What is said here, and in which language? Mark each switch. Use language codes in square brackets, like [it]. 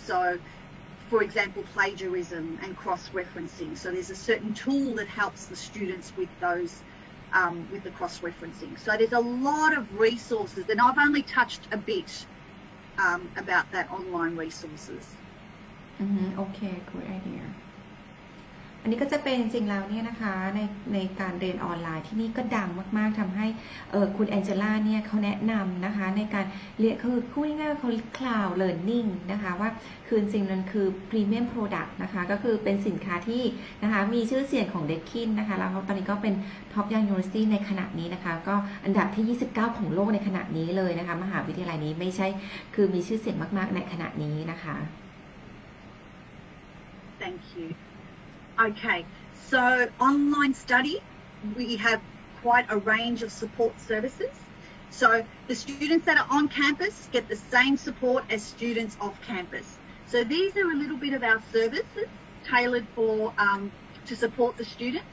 [en] So for example, plagiarism and cross-referencing. So there's a certain tool that helps the students with those, with the cross-referencing. So there's a lot of resources, and I've only touched a bit about that online resources. Okay, good idea. [th] อันนี้ก็จะเป็นจริงแล้วเนี่ยนะคะในการเรียนออนไลน์ที่นี่ก็ดังมากๆทำให้คุณแองเจล่าเนี่ยเขาแนะนำนะคะในการเรียนคือพูดง่ายๆเขาคลาวด์เลิร์นนิ่งนะคะว่าคือจริงๆนั้นคือพรีเมียมโปรดักต์นะคะก็คือเป็นสินค้าที่นะคะมีชื่อเสียงของ Deakin นะคะแล้วตอนนี้ก็เป็นท็อปยังยูนิเวอร์ซิตี้ในขณะนี้นะคะก็อันดับที่29ของโลกในขณะนี้เลยนะคะมหาวิทยาลัยนี้ไม่ใช่คือมีชื่อเสียงมากๆในขณะนี้นะคะ [en] Thank youOkay, so online study, we have quite a range of support services. So the students that are on campus get the same support as students off campus. So these are a little bit of our services tailored for to support the students.